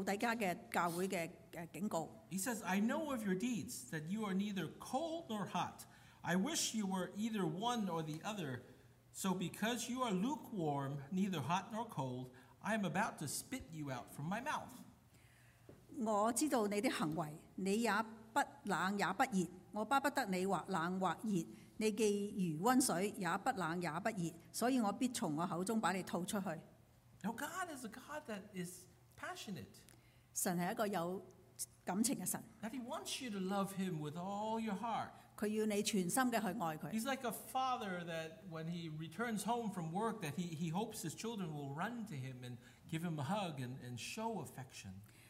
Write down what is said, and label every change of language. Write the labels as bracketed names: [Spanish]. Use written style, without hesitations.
[Chinese] 在启示录第三章的时候，就是对老底家的教会的警告。 [English] He says, I know of your deeds, that you are neither cold nor hot. I wish you were either one or the other. So because you are lukewarm, neither hot nor cold, I am about to spit you out from my mouth. [Chinese] 我知道你的行为，你也不冷也不热，我巴不得你或冷或热。你既如温水，也不冷也不热，所以我必从我口中把你吐出去。 [English] Now God is a God that is passionate. [Chinese] 神是一个有感情的神。 [English] That he wants you to love him with all your heart. [Chinese] 他要你全心的去爱他。 [English] He's like a father that when he returns home from work, that he hopes his children will run to him and give him a hug and show affection.